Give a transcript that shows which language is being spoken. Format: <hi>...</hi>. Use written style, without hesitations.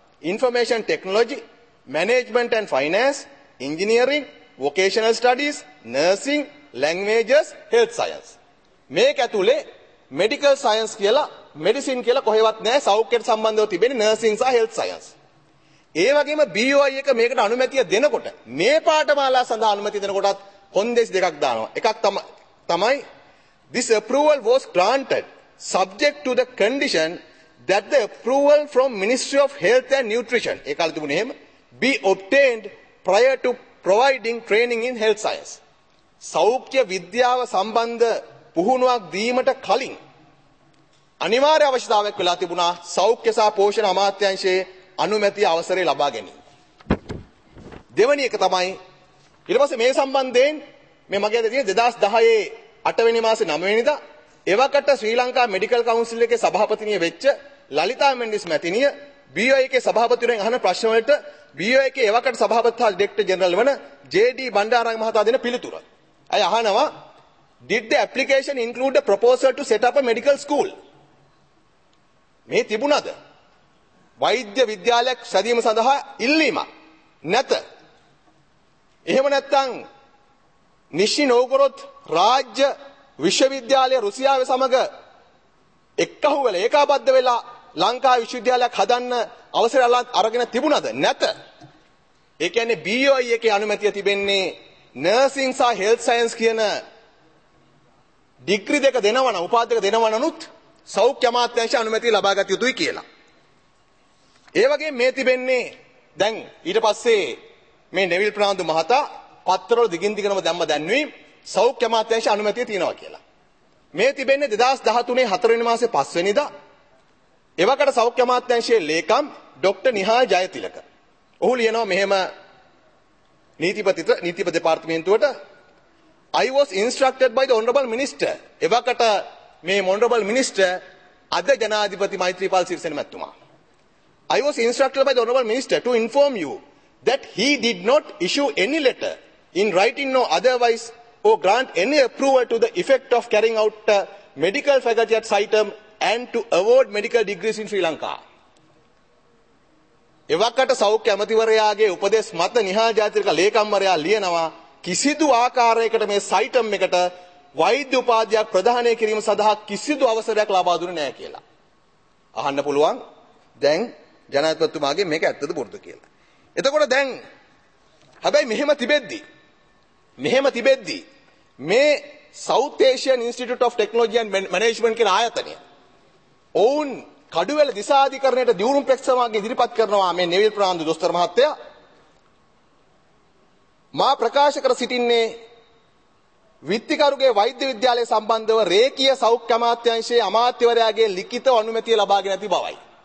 <si>Information technology, management and finance, engineering, vocational studies, nursing, ලැංග්වේජස්, health science. මේක ඇතුලේ medical science කියලා medicine කියලා කොහෙවත් නැහැ. සෞඛ්‍යයට සම්බන්ධව තිබෙන නර්සින් සහ හෙල්ත් සයන්ස්. ඒ වගේම BOI එක මේකට අනුමැතිය දෙනකොට මේ පාඨමාලා සඳහා අනුමැතිය දෙනකොටත් කොන්දේසි දෙකක් දානවා. එකක් තමයි</si> <en>this approval was granted subject to the condition that the approval from Ministry of Health and Nutrition</en> <si>ඒ කාලේ තිබුණේ එහෙම</si> <en>be obtained prior to providing training in health science.</en> <si>සෞඛ්‍ය විද්‍යාව සම්බන්ධ පුහුණුවක් දීමට කලින් අනිවාර්ය අවශ්‍යතාවයක් වෙලා තිබුණා සෞඛ්‍ය සහ පෝෂණ අමාත්‍යාංශයේ අනුමැතිය අවසරය ලබා ගැනීම. දෙවැනි එක තමයි ඊට පස්සේ මේ සම්බන්ධයෙන් මේ මගේ අද තියෙන 2010 අටවෙනි මාසේ 9 වෙනිදා එවකට ශ්‍රී ලංකා මෙඩිකල් කවුන්සිල් එකේ සභාපතිනිය වෙච්ච ලලිතා මෙන්ඩිස් මැතිනිය BOI එකේ සභාපතිවරයන් අහන ප්‍රශ්න වලට BOI එකේ එවකට සභාපතිතුමා ඩෙක්ටර් ජෙනරල් වන JD බණ්ඩාරනායක මහතා දෙන පිළිතුර. අය අහනවා</si> <en>did the application include a proposal to set up a medical school?</en> <si>මේ තිබුණද? වෛද්‍ය විද්‍යාලයක් සැදීම සඳහා ඉල්ලීම නැත. එහෙම නැත්නම් නිෂි නෝගොරොත් රාජ්‍ය විශ්වවිද්‍යාලය රුසියාවේ සමග එක්කහුවල ඒකාබද්ධ වෙලා ලංකා විශ්වවිද්‍යාලයක් හදන්න අවසරය අරගෙන තිබුණද? නැත. ඒ කියන්නේ BOI එකේ අනුමැතිය තිබෙන්නේ නර්සින් සහ හෙල්ත් සයන්ස් කියන ඩිග්‍රි දෙක දෙනවනම් උපාධි දෙක දෙනවනනුත් සෞඛ්‍ය අමාත්‍යාංශය අනුමැතිය ලබා ගත යුතුයි කියලා. ඒ වගේම මේ තිබෙන්නේ දැන් ඊට පස්සේ මේ නෙවිල් ප්‍රනාන්දු මහතා පත්‍රවල දිගින් දිගටම දැම්ම දැන්වීම සෞඛ්‍ය අමාත්‍යාංශය අනුමැතිය තියෙනවා කියලා. මේ තිබෙන්නේ 2013 4 මාසේ 5 වෙනිදා එවකට සෞඛ්‍ය අමාත්‍යාංශයේ ලේකම් ඩොක්ටර් නිහාල් ජයතිලක. ඔහු ලියනවා මෙහෙම නීතිපති දෙපාර්තමේන්තුවට</si> <en>I was instructed by the honorable minister</en> <si>එවකට මේ</si> <en>honorable minister</en> <si>අද ජනාධිපති මෛත්‍රීපාල සිරිසේන මැතිතුමා</si> <en>I was instructed by the honorable minister to inform you that he did not issue any letter in writing no otherwise or grant any approval to the effect of carrying out a medical faculty at Saitam and to award medical degrees in Sri Lanka</en> <si>එවකට සෞඛ්‍ය අමතිවරයාගේ උපදෙස් මත නිහාල් ජයතිලක ලේකම්වරයා ලියනවා කිසිදු ආකාරයකට මේ සයිටම් එකට වෛද්‍ය උපාධියක් ප්‍රදානය කිරීම සඳහා කිසිදු අවසරයක් ලබා දුන්නේ නැහැ කියලා. අහන්න පුළුවන් දැන් ජනාධිපතිතුමාගේ මේක ඇත්තද බොරුද කියලා. එතකොට දැන් හැබැයි මෙහෙම තිබෙද්දී මේ South Asian Institute of Technology and Management කියන ආයතනය ඔවුන් කඩුවැල දිසාධිකරණයට දියුණුව ප්‍රේක්ෂකවාගේ ඉදිරිපත් කරනවා මේ නෙවිල් ප්‍රනාන්දු දොස්තර මහත්තයා මා ප්‍රකාශ කර සිටින්නේ විත්තිකරුගේ වෛද්‍ය විද්‍යාලය සම්බන්ධව රේකිය සෞඛ්‍ය අමාත්‍යාංශයේ අමාත්‍යවරයාගේ ලිඛිත අනුමැතිය ලබාගෙන ඇති බවයි.</si>